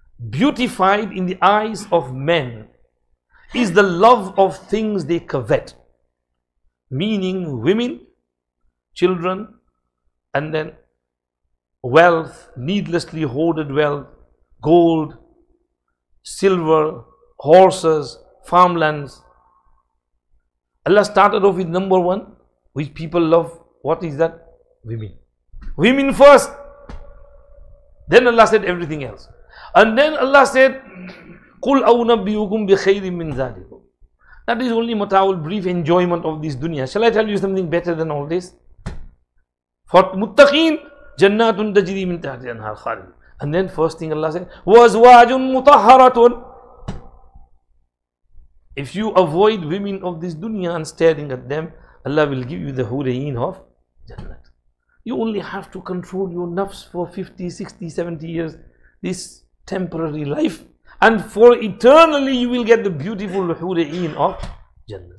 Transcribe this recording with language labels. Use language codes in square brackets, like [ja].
[en] Beautified in the eyes of men is the love of things they covet, meaning women, children, and then wealth, needlessly hoarded wealth, gold, silver, horses, farmlands. Allah started off with number one, which people love. What is that? Women. Women first. Then Allah said everything else. And then Allah said, [ar] قُلْ أَوْنَبِّيُكُمْ بِخَيْرٍ مِّنْ ذَلِكُمْ. [en] That is only mataul, brief enjoyment of this dunya. Shall I tell you something better than all this? [ar] For muttaqeen, جَنَّاتٌ تَجْرِي مِنْ تَحْتِهَا الْأَنْهَارُ خَالِدِينَ. [en] And then first thing Allah said, [ar] وَأَزْوَاجٌ مُطَهَّرَةٌ. [en] If you avoid women of this dunya and staring at them, Allah will give you the hurayin of Jannat. You only have to control your nafs for 50, 60, 70 years, this temporary life, and for eternally you will get the beautiful hurayin of Jannah.